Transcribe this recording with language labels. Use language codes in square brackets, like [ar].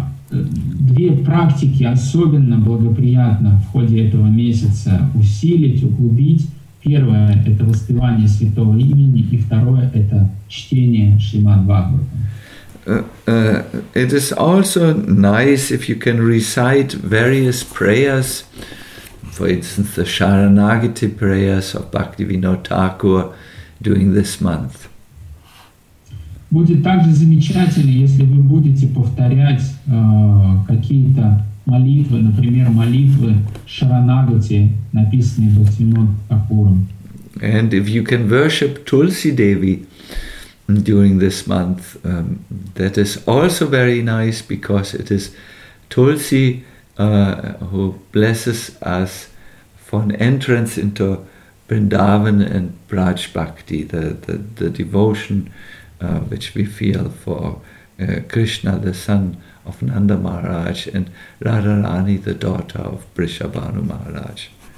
[ru] Две практики особенно благоприятно в ходе этого месяца усилить, углубить. Первое – это воспевание святого имени, и второе – это чтение Шримад-Бхагаватам. [en] It is also nice if you can recite various prayers, for instance, the Sharanagati prayers of Bhaktivinoda Thakur during this month. [ru] Будет также замечательно, если вы будете повторять какие-то молитвы, например, молитвы Шаранагати, написанные Бхактивинодом Такуром. [en] And if you can worship Tulsi Devi during this month, that is also very nice, because it is Tulsi who blesses us for an entrance into Vrindavan and Braj Bhakti, the devotion which we feel for Krishna, the son of Nanda Maharaj, and Radharani, the daughter of Vrishabhanu Maharaj.